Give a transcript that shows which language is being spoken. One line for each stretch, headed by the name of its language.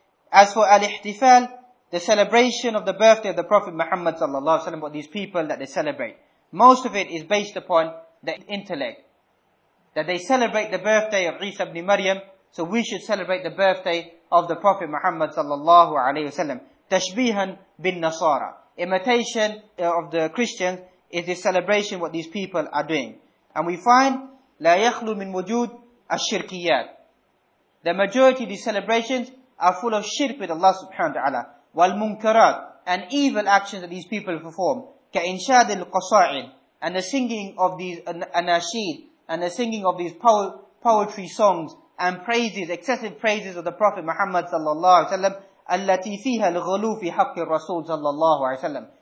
English: As for al-ihtifal, the celebration of the birthday of the Prophet Muhammad sallallahu alaihi wasallam, what these people that they celebrate, most of it is based upon the intellect. That they celebrate the birthday of Isa ibn Maryam, so we should celebrate the birthday of the Prophet Muhammad sallallahu alaihi wasallam. Tashbihan bin Nasara, imitation of the Christians is this celebration what these people are doing. And we find
Arabic: لا يخلو من وجود الشركيات.
English: The majority of these celebrations are full of shirk with Allah subhanahu wa ta'ala.
Arabic: والمنكرات,
English: and evil actions that these people perform.
Arabic: كإنشاد القصائد,
English: and the singing of these anashid, and the singing of these poetry songs and praises, excessive praises of the Prophet Muhammad sallallahu alaihi wasallam,
Arabic: التي فيها الغلو في حق الرسول صلى الله عليه وسلم.